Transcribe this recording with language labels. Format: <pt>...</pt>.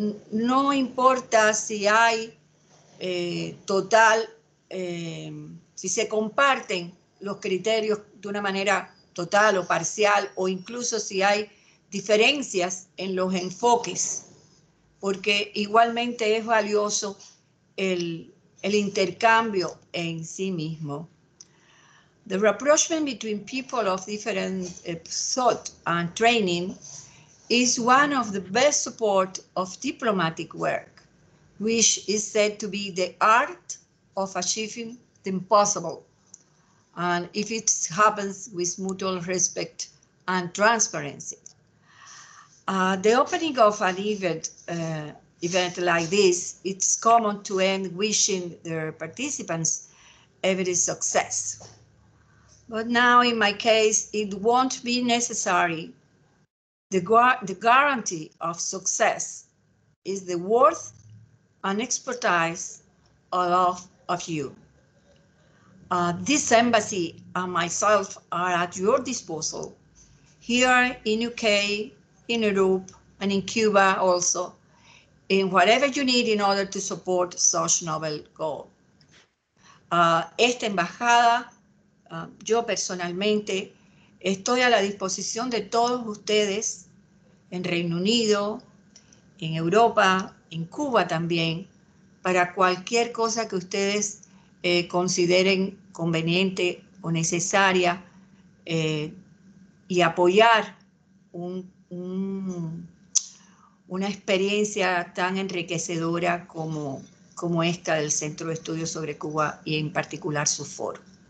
<es>No importa si hay si se comparten los criterios de una manera total o parcial, o incluso si hay diferencias en los enfoques, porque igualmente es valioso el intercambio en sí mismo.</es> <en>The rapprochement between people of different thought and training is one of the best support of diplomatic work, which is said to be the art of achieving the impossible, and if it happens with mutual respect and transparency. The opening of an event like this, it's common to end wishing their participants every success. But now in my case, it won't be necessary. The guarantee of success is the worth and expertise of you. This embassy and myself are at your disposal here in UK, in Europe, and in Cuba also, in whatever you need in order to support such noble goal.</en> <es>Esta embajada, yo personalmente, estoy a la disposición de todos ustedes en Reino Unido, en Europa, en Cuba también, para cualquier cosa que ustedes consideren conveniente o necesaria y apoyar una experiencia tan enriquecedora como esta del Centro de Estudios sobre Cuba y en particular su foro.</es>